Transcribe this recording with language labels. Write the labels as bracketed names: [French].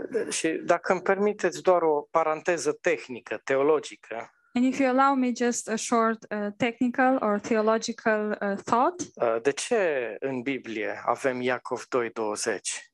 [Romanian] Și dacă îmi permiteți doar o paranteză tehnică, teologică. [English] And if you allow me just a short technical or theological thought. [Romanian] De ce în Biblie avem Iacov 2:20?